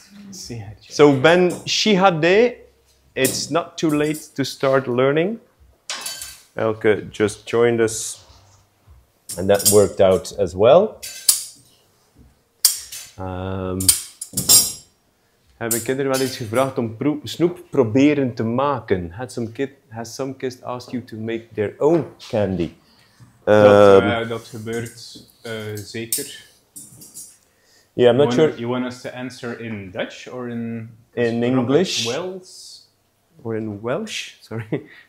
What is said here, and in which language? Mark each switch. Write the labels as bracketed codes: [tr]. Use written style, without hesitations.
[en] So Ben Shihade, it's not too late to start learning. Elke just joined us and that worked out as well. [nl] Hebben kinderen wel eens gevraagd om snoep proberen te maken? [en] Has some kids asked you to make their own candy? [nl] Dat gebeurt zeker. [en] Yeah, I'm not sure. You want us to answer in Dutch or in English? In Welsh? Sorry.